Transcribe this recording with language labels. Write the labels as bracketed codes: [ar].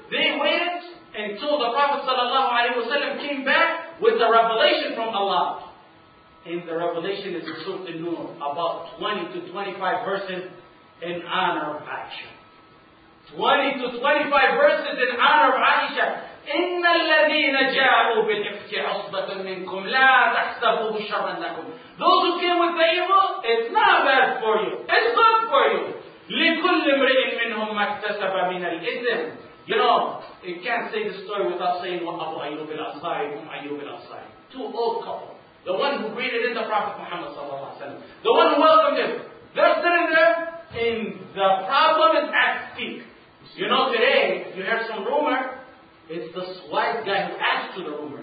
[en] They waited until the Prophet sallallahu alaihi wasallam came back with the revelation from Allah. And the revelation is in Surah An-Nur, about 20 to 25 verses in honor of Aisha. 20 to 25 verses in honor of Aisha. [ar] إن الذين جاءوا بالإفك عصبة منكم لا تحسبوه شرا لكم. [en] Those who came with the evil, it's not bad for you. It's good for you. [ar] لكل امرئ منهم ما اكتسب من الإثم. [en] You know, you can't say the story without saying وأبو أيوب الأنصاري وأم أيوب الأنصاري. Two old couple. The one who greeted in the Prophet Muhammad صلى الله عليه وسلم. The one who welcomed him. They're sitting there and the problem is at stake. You know, today, you hear some rumor, it's this white guy who adds to the rumor.